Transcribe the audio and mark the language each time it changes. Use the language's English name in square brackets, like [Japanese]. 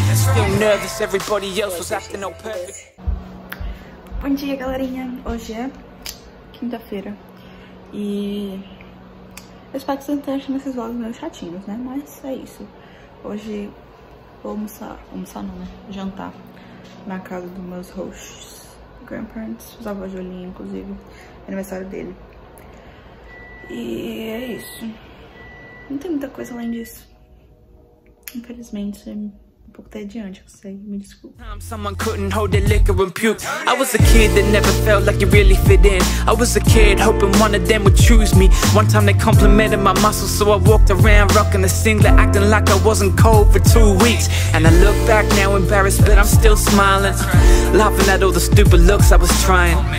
[English] Still nervous, everybody else was acting all perfect. [Portuguese] Bom dia, galerinha. Hoje é quinta-feira. E Eu espero que vocês não estejam achando esses vlogs meio chatinhos, né? Mas é isso. Hoje vou almoçar. Almoçar não, né? Jantar. Na casa dos meus hosts. Grandparents. Os avós de Olinha, inclusive. Aniversário dele. E é isso. Não tem muita coisa além disso. Infelizmente, é um pouco tediante, eu sei. Me desculpa. [English] Someone couldn't hold their liquor and puke. I was a kid that never felt like you really fit in. I was a kid hoping one of them would choose me. One time they complimented my muscles, so I walked around rocking a singlet, acting like I wasn't cold for 2 weeks. And I look back now embarrassed, but I'm still smiling, laughing at all the stupid looks I was trying.